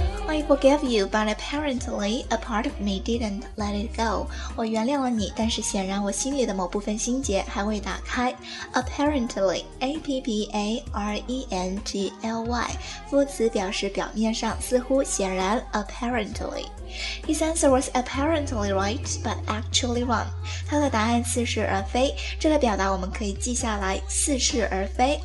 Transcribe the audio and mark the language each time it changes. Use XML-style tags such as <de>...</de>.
<en>I forgive you, but apparently a part of me didn't let it go.</en> <zh>我原谅了你，但是显然我心里的某部分心结还未打开。 Apparently, A-P-P-A-R-E-N-T-L-Y, 副词表示表面上，似乎，显然。</zh> <en>Apparently, his answer was apparently right, but actually wrong.</en> <zh>他的答案似是而非。这个表达我们可以记下来，似是而非。</zh>